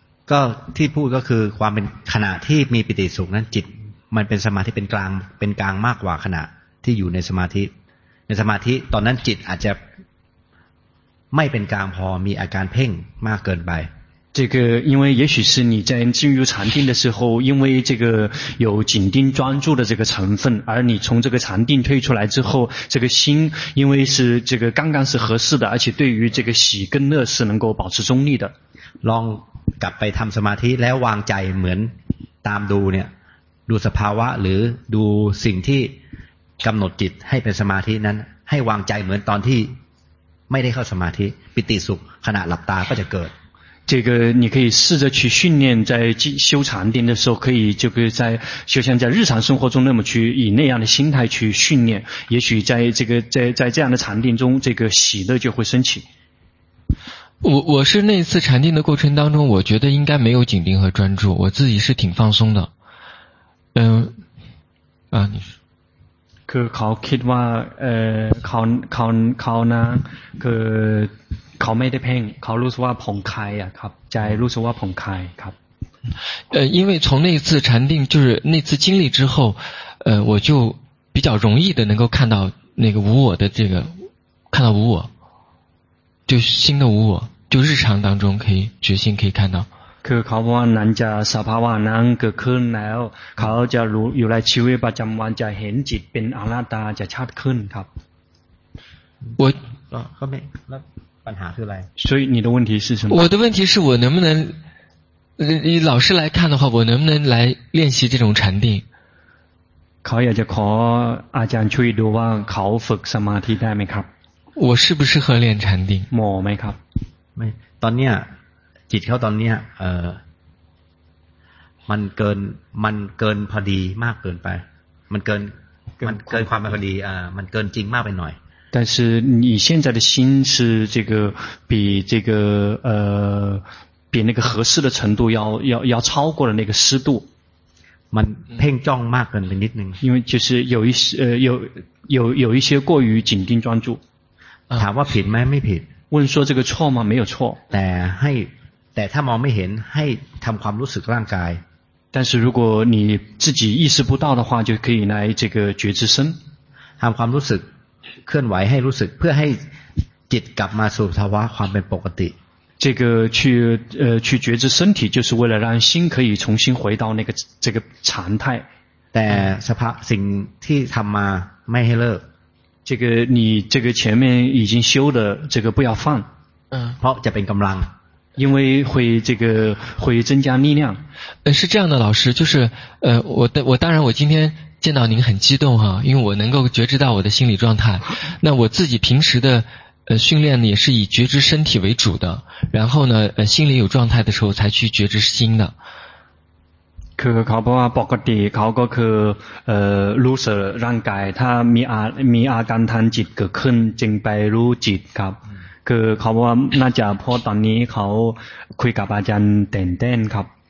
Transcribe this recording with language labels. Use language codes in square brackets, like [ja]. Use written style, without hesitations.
[th] ก็ที่พูดก็คือความเป็นขณะที่มีปิติสุขนั้นจิตมันเป็นสมาธิเป็นกลางมากกว่าขณะที่อยู่ในสมาธิในสมาธิตอนนั้นจิตอาจจะไม่เป็นกลางพอมีอาการเพ่งมากเกินไป [zh] 这个因为也许是你在进入禅定的时候因为这个有紧盯专注的这个成分而你从这个禅定退出来之后这个心因为是这个刚刚是合适的而且对于这个喜跟乐是能够保持中立的 [th] ลองกลับไปทำสมาธิแล้ววางใจเหมือนตามดูเนี่ยดูสภาวะหรือดูสิ่งที่กำหนดจิตให้เป็นสมาธินั้นให้วางใจเหมือนตอนที่ไม่ได้เข้าสมาธิปิติสุขขณะหลับตาก็จะเกิด [zh] 这个你可以试着去训练在修禅定的时候可以就是在就像在日常生活中那么去以那样的心态去训练也许在这个在这样的禅定中这个喜乐就会升起我是那次禅定的过程当中我觉得应该没有紧盯和专注我自己是挺放松的你 [th] คือเขาคิดว่าเขานะคือเขาไม่ได้เพ่งเขารู้สึกว่าผ่องคลายอ่ะครับใจรู้สึกว่าผ่องคลายครับ [zh] 因为从那次禅定就是那次经历之后我就比较容易的能够看到那个无我的这个看到无我就新的无我就日常当中可以觉性可以看到 [th] คือเขาว่านั้นจะสภาวะนั้นเกิดขึ้นแล้วเขาจะรู้อยู่ในชีวิตประจำวันจะเห็นจิตเป็นอนัตตาจะชัดขึ้นครับ ว่ าก็ไม่แล้วปัญหาคืออะไร [zh] 所以你的问题是什么我的问题是我能不能以老师来看的话我能不能来练习这种禅定 [th] เขาอยากจะขออาจารย์ช่วยดูว่าเขาฝึกสมาธิได้ไหมครับ [zh] 我适不适合练禅定 [th] เหมาะไหมครับ ไม่ตอนเนี้ยจิตเขาตอนนี้มันเกินพอดีมากเกินไปมันเกินความพอดีมันเกินจริงมากไปหน่อย [zh] 但是你现在的心是这个比这个比那个合适的程度要超过了那个适度 [th] มันเพ่งจ้องมากเกินไปนิดนึง [zh] 因为就是有一些过于紧盯专注 [th] ถามว่าผิดไหมไม่ผิด [zh] 问说这个错吗没有错 [th] แต่ใหแต่ถ้ามองไม่เห็นให้ทำความรู้สึกร่างกาย [zh] 但是如果你自己意识不到的话就可以来这个觉知身 [th] ทำความรู้สึกเคลื่อนไหวให้รู้สึกเพื่อให้จิตกลับมาสู่ภาวะความเป็นปกติ [zh] 这个去觉知身体就是为了让心可以重新回到那个这个常态 [th] 但สภาพสิ่งที่ทำมาไม่ให้เลิก [zh] 这个你这个前面已经修的这个不要放 [th] เ พราะจะเป็นกำลัง [zh] 因为会这个会增加力量是这样的老师就是我当然我今天见到您很激动哈、啊、因为我能够觉知到我的心理状态那我自己平时的训练呢也是以觉知身体为主的然后呢心里有状态的时候才去觉知心的 [th] คือเขาบอกว่าปกติเขาก็คือรู้สึกร่างกายถ้ามีอาการทางจิตเกิดขึ้นจึงไปรู้จิตครับคือเขาบอกว่าน่าจะเพราะตอนนี้เขาคุยกับอาจารย์เต้นเต้นครับ